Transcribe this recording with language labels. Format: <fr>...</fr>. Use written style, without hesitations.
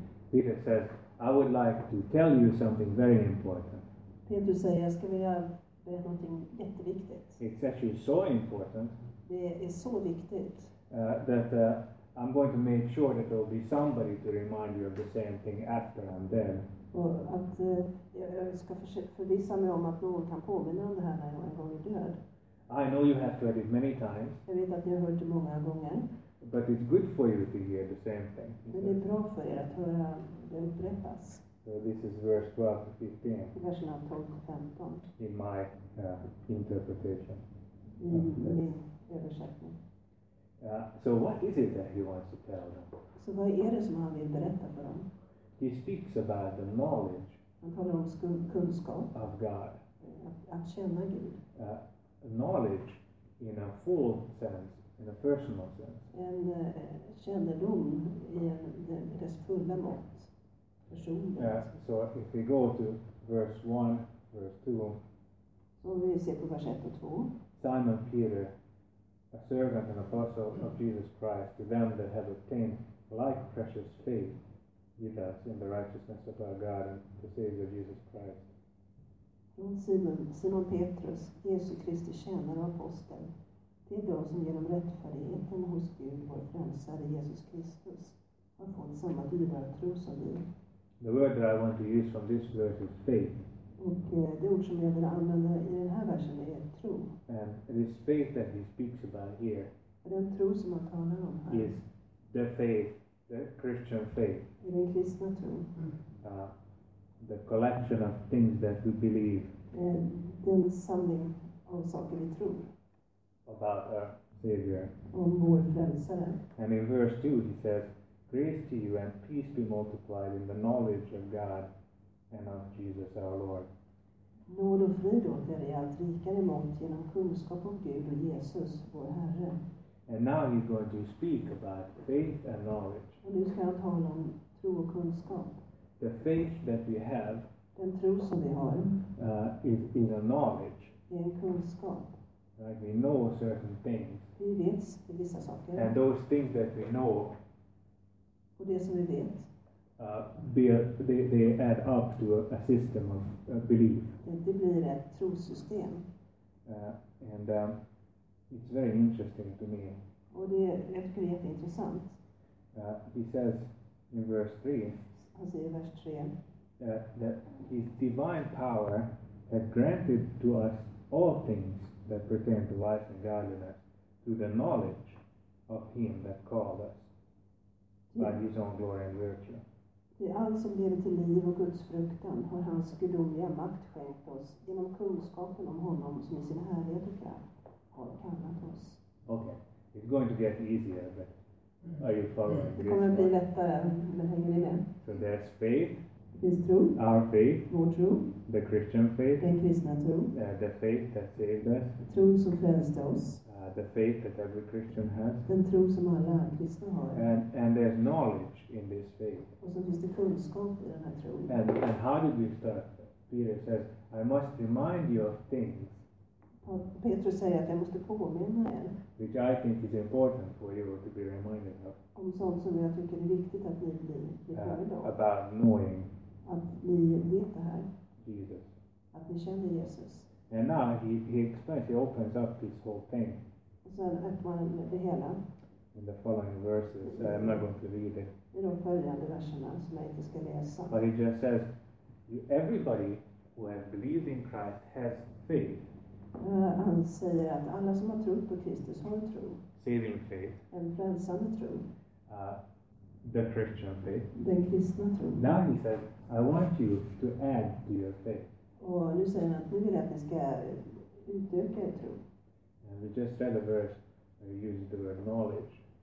<en>Peter says, I would like to tell you something very important.</en> <sv>Peter säger, jag ska vilja berätta någonting jätteviktigt.</sv> <en>It's actually so important.</en> <sv>Det är så viktigt.</sv> <en>That I'm going to make sure that there will be somebody to remind you of the same thing after I'm dead.</en> <sv>Och att jag ska förvissa mig om att någon kan påminna om det här när jag en gång är död.</sv> <en>I know you have heard it many times.</en> <sv>Jag vet att ni har hört det många gånger.</sv> <en>But it's good for you to hear the same thing.</en> <sv>Men det är bra för er att höra det upprepas.</sv> <en>So this is verse 12 to 15.</en> <sv>Verserna 12 och 15.</sv> <en>In my interpretation.</en> <sv>Min översättning.</sv> <en>So what is it that he wants to tell them?</en> <sv>Så vad är det som han vill berätta för dem?</sv> <en>He speaks about the knowledge.</en> <sv>Han talar om kunskap.</sv> <en>Of God.</en> <sv>Att känna Gud.</sv> <en>Knowledge in a full sense. In a personal sense.</en> <sv>En kännedom i dess fulla mått. personer.</sv> <en>Yeah, so if we go to verse 1, verse 2.</en> <sv>Så vi ser på vers 1 och 2.</sv> <en>Simon Peter, a servant and apostle of Jesus Christ, to them that have obtained like precious faith with us in the righteousness of our God and the Savior Jesus Christ.</en> <sv>Simon Petrus, Jesu Kristi tjänare och apostel, till dem som genom rättfärdigheten hos Gud, vår frälsare Jesus Kristus, har fått samma dyrbara tro som vi.</sv> <en>The word that I want to use from this verse is faith.</en> <sv>Och det ord som jag vill använda i den här versen är tro.</sv> <en>And it is faith that he speaks about here.</en> <sv>Den tro som han talar om här.</sv> <en>Is the faith, the Christian faith.</en> <sv>Är den kristna tro.</sv> <en>The collection of things that we believe.</en> <sv>Den samling av saker vi tror.</sv> <en>About our Savior.</en> <sv>Om vår frälsare.</sv> <en>And in verse 2 he says, grace to you and peace be multiplied in the knowledge of God and of Jesus our Lord.</en> <sv>Nåd och frid åt er i allt rikare mått genom kunskap om Gud och Jesus, vår Herre.</sv> <en>And now he's going to speak about faith and knowledge.</en> <sv>Och nu ska han tala om tro och kunskap.</sv> <en>The faith that we have,</en> <sv>den tro som vi har,</sv> <en>is a knowledge.</en> <sv>Är en kunskap.</sv> <en>Like we know certain things.</en> <sv>Vi vet vissa saker.</sv> <en>And those things that we know,</en> <sv>och det som vi vet,</sv> <en>they add up to a system of belief.</en> <sv>Det blir ett trosystem.</sv> <en>It's very interesting to me.</en> <sv>Och det är, jag tycker det är jätteintressant.</sv> <en>He says in verse 3.</en> <sv>Han säger i vers 3.</sv> <en>That his divine power has granted to us all things that pertain to life and godliness through the knowledge of him that called us by his own glory and virtue.</en> <sv>Det allt som leder till liv och Guds fruktan har hans gudomliga makt skänkt oss genom kunskapen om honom som i sin härlighet och kraft har kallat oss.</sv> <en>Okay, it's going to get easier, but are you following this?</en> <sv>Det kommer bli lättare, men hänger ni med?</sv> <en>So there's faith.</en> <sv>Det finns tro.</sv> <en>Our faith.</en> <sv>Vår tro.</sv> <en>The Christian faith.</en> <sv>Den kristna tro.</sv> <en>The faith that saved us.</en> <sv>Tro som frälste oss.</sv> <en>The faith that every Christian has.</en> <sv>Den tro som alla kristna har.</sv> <en>And there's knowledge in this faith.</en> <sv>Och så finns det kunskap i den här tron.</sv> <en>And how did we start? Peter says, I must remind you of things.</en> <sv>Petrus säger att jag måste påminna er.</sv> <en>Which I think is important for you to be reminded of.</en> <sv>Om sånt som jag tycker är viktigt att ni blir påminna</sv> <en>om. About knowing.</en> <sv>Att ni vet det här.</sv> <en>Jesus.</en> <sv>Att ni känner Jesus.</sv> <en>And now he explains, he opens up this whole thing.</en> <sv>Så öppnar han det hela.</sv> <en>In the following verses, I'm not going to read it.</en> <sv>I de följande verserna som jag inte ska läsa.</sv> <en>But he just says, everybody who has believed in Christ has faith.</en> <sv>Han säger att alla som har trott på Kristus har tro.</sv> <en>Saving faith.</en> <sv>En frälsande tro.</sv> <en>The Christian faith.</en> <sv>Den kristna tro.</sv> <en>Now he says, I want you to add to your faith.</en> <sv>Och nu säger han att nu vill jag att ni ska utöka er tro.</sv> <en>And we just read a verse where he uses the word knowledge.</en>